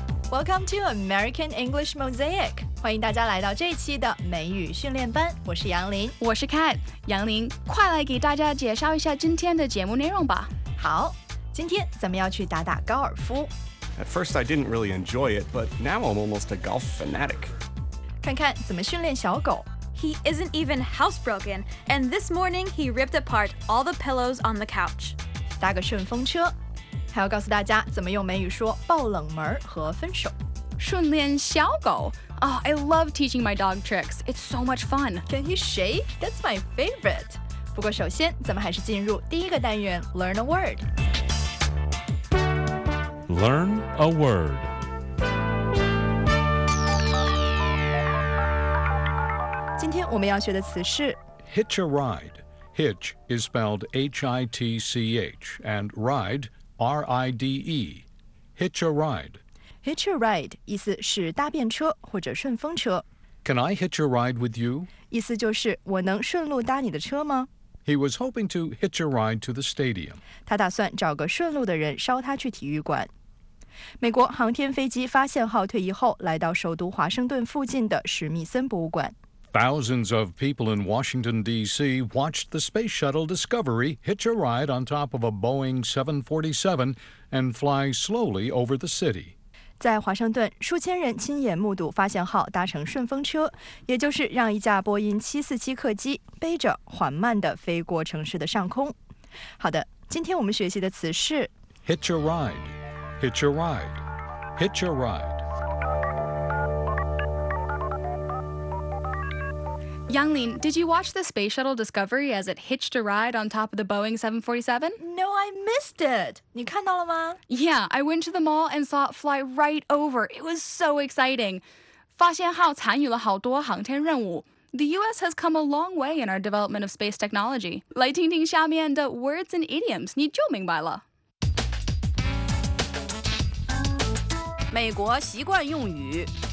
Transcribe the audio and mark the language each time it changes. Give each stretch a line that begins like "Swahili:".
English: Welcome to American English Mosaic.
Chinese: 欢迎大家来到这期的美语训练班。我是杨林，我是 Kat。杨林，快来给大家介绍一下今天的节目内容吧。好，今天咱们要去打打高尔夫。
English: At first, I didn't really enjoy it, but now I'm almost a golf fanatic.
Chinese: 看看怎么训练小狗。
English: He isn't even housebroken, and this morning he ripped apart all the pillows on the couch.
Chinese: 搭个顺风车。还要告诉大家怎么用美语说爆冷门和分手。训练小狗。
English: Oh, I love teaching my dog tricks. It's so much fun. Can he shake? That's my favorite.
Chinese: 不过首先咱们还是进入第一个单元
English: Learn a word. Learn a word.
Chinese: 今天我们要学的词是
English: Hitch a ride. Hitch is spelled H-I-T-C-H and ride,R-I-D-E, hitch a ride.
Chinese: Hitch a ride, 意思是搭便车或者顺风车。
English: Can I hitch a ride with you?
Chinese: 意思就是我能顺路搭你的车吗?
English: He was hoping to hitch a ride to the stadium.
Chinese: 他打算找个顺路的人捎他去体育馆。美国航天飞机发现号退役后来到首都华盛顿附近的史密森博物馆。
English: Thousands of people in Washington, D.C. watched the space shuttle Discovery hitch a ride on top of a Boeing 747 and fly slowly over the city.
Chinese: 在华盛顿，数千人亲眼目睹发现号搭乘顺风车，也就是让一架波音747客机背着缓慢地飞过城市的上空。好的，今天我们学习的词是
English: hitch a ride, hitch a ride, hitch a ride. Yanglin, did you watch the space shuttle Discovery as it hitched a ride on top of the Boeing 747? No, I missed it.
Chinese: 你看到了吗?
English: Yeah, I went to the mall and saw it fly right over. It was so exciting.
Chinese: 发现号参与了好多航天任务。
English: The U.S. has come a long way in our development of space technology.
Chinese: 来听听下面的
English: words and idioms,
Chinese: 你就明白了。美国习惯用语